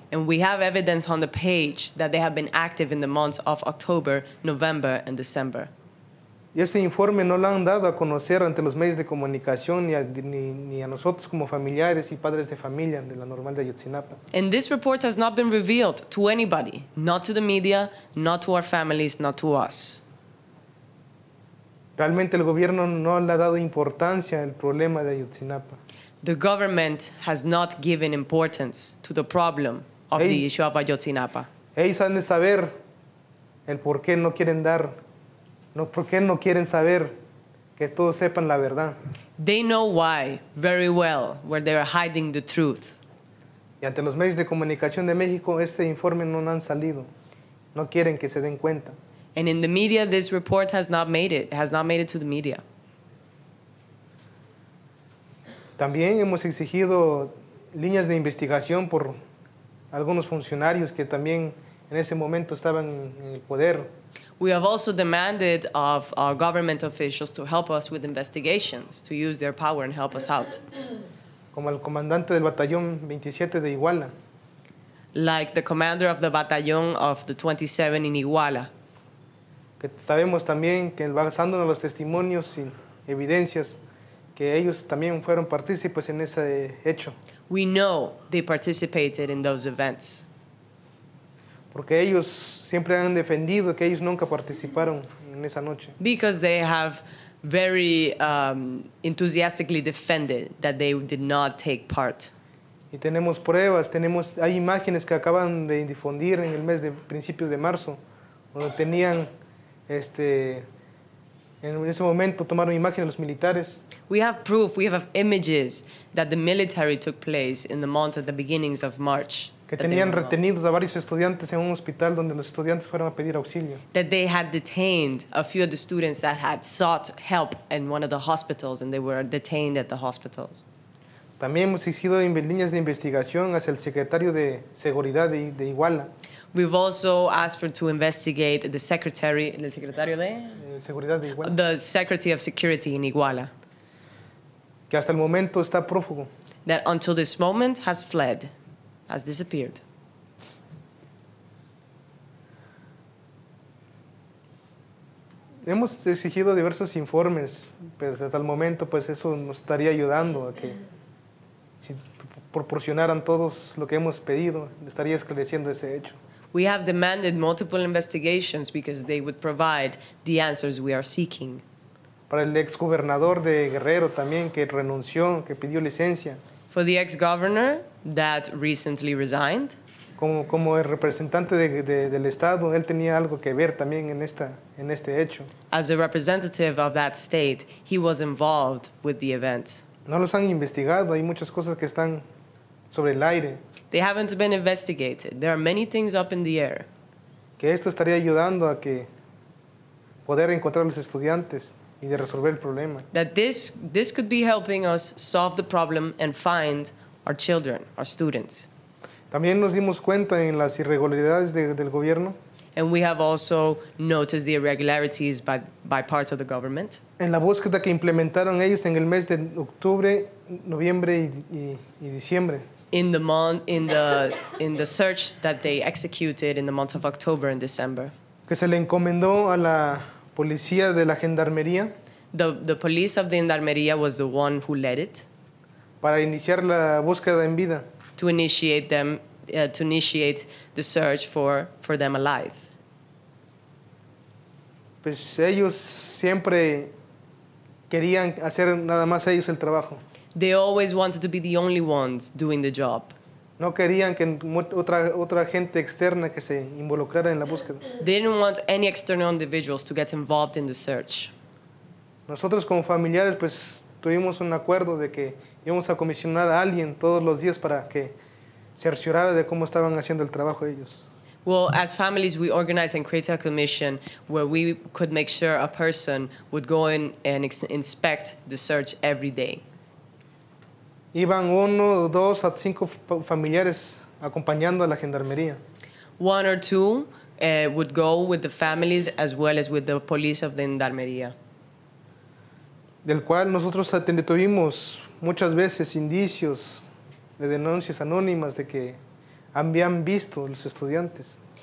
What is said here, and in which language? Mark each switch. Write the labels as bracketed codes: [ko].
[en] And we have evidence on the page that they have been active in the months of October, November and December. [es] Y ese informe no lo han dado a conocer ante los medios de comunicación ni a nosotros como familiares y padres de familia de la normal de Ayotzinapa. [en] And this report has not been revealed to anybody, not to the media, not to our families, not to us. [es] Realmente el gobierno no le ha dado importancia al problema de Ayotzinapa. [en] The government has not given importance to the problem of the issue of Ayotzinapa. [es] Ellos han de saber el por qué no quieren dar. No, ¿por qué no quieren saber que todos sepan la verdad? [en] They know why very well where they are hiding the truth. [es] Y ante los medios de comunicación de México, este informe no han salido. No quieren que se den cuenta. [en] And in the media, this report has not made it. It has not made it to the media. [es] También hemos exigido líneas de investigación por algunos funcionarios que también en ese momento estaban en el poder. [en] We have also demanded of our government officials to help us with investigations, to use their power and help us out. [es] Como el comandante del batallón 27 de Iguala. [en] Like the commander of the batallón of the 27 in Iguala. [es] Que sabemos también que basándonos en los testimonios y evidencias que ellos también fueron partícipes en ese hecho. [en] We know they participated in those events. [es] Porque ellos siempre han defendido que ellos nunca participaron en esa noche. [en] Because they have very enthusiastically defended that they did not take part. [es] Y tenemos pruebas, hay imágenes que acaban de difundir en el mes de principios de marzo, donde tenían en ese momento tomaron imágenes los militares. [en] We have proof, we have images that the military took place in the month at the beginnings of March. [es] Que tenían retenidos a varios estudiantes en un hospital donde los estudiantes fueron a pedir auxilio. [en] That they had detained a few of the students that had sought help in one of the hospitals and they were detained at the hospitals. [es] También hemos sido en líneas de investigación hacia el secretario de Seguridad de Iguala. [en] We've also asked for to investigate the secretary, [es] el secretario de Seguridad de Iguala. [en] The Secretary of Security in Iguala. [es] Que hasta el momento está prófugo. [en] That until this moment has fled, has disappeared. [es] Hemos exigido diversos informes, pero hasta el momento pues eso nos estaría ayudando a que si proporcionaran todos lo que hemos pedido, estaría esclareciendo ese hecho. [en] We have demanded multiple investigations because they would provide the answers we are seeking. [es] Para el ex gobernador de Guerrero también que renunció, que pidió licencia. [en] For the ex-governor that recently resigned. [es] Como el representante del estado, él tenía algo que ver también en este hecho. [en] As a representative of that state, he was involved with the event. [es] No los han investigado, hay muchas cosas que están sobre el aire. [en] They haven't been investigated. There are many things up in the air. [es] Que esto estaría ayudando a que poder encontrar a los estudiantes. Y de resolver el problema. [en] That this could be helping us solve the problem and find our children, our students. [es] También nos dimos cuenta en las irregularidades del gobierno. [en] And we have also noticed the irregularities by parts of the government. [es] En la búsqueda que implementaron ellos en el mes de octubre, noviembre y diciembre. [en] In the search that they executed in the month of October and December. [es] Que se le encomendó a la policía de la gendarmería. [en] The police of the gendarmería was the one who led it. [es] Para iniciar la búsqueda en vida. [en] To initiate them, to initiate the search for them alive. [es] Pues ellos siempre querían hacer nada más ellos el trabajo. [en] They always wanted to be the only ones doing the job. [es] No querían que otra gente externa que se involucrara en la búsqueda. [en] They didn't want any external individuals to get involved in the search. [es] Nosotros como familiares pues tuvimos un acuerdo de que íbamos a comisionar a alguien todos los días para que cerciorara de cómo estaban haciendo el trabajo ellos. [en] Well, as families we organized and created a commission where we could make sure a person would go in and inspect the search every day. [es] Iban uno, dos a cinco familiares acompañando a la gendarmería. [en] One or two would go with the families as well as with the police of the gendarmería. [es] Del cual nosotros tuvimos muchas veces indicios de denuncias anónimas de que habían visto los estudiantes.